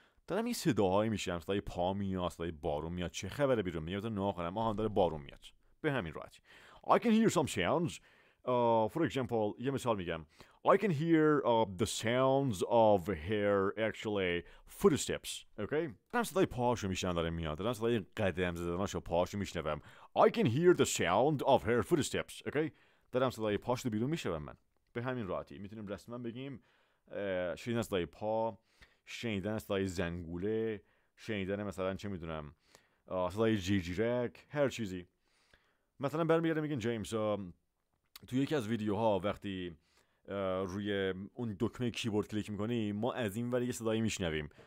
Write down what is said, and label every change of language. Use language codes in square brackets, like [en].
[fa] دارم این صداهایی میشنم، صدای پا میاد، صدای بارون میاد، چه خبره بیرون میاد؟ ناخرم آهان داره بارون میاد. به همین راحتی [en] I can hear some sounds. For example، [fa] یه مثال میگم [en] I can hear the sounds of her actually footsteps. [fa] اوکی؟ دارم صدای پاهاشو میشنم داره میاد، دارم صدای قدم زدناشو پاهاشو میشنوم. [en] I can hear the sound of her footsteps. [fa] اوکی؟ دارم صدای پاهاش رو بیرون میشنوم من. به همین راحتی میتونیم رسما بگیم شنیدن صدای پا، شنیدن صدای زنگوله، شنیدن مثلا چه میدونم صدای جیجیرک، هر چیزی. مثلا برمیگرده میگین جیمز تو یکی از ویدیوها وقتی روی اون دکمه کیبورد کلیک میکنی ما از این ور یه صدایی میشنویم.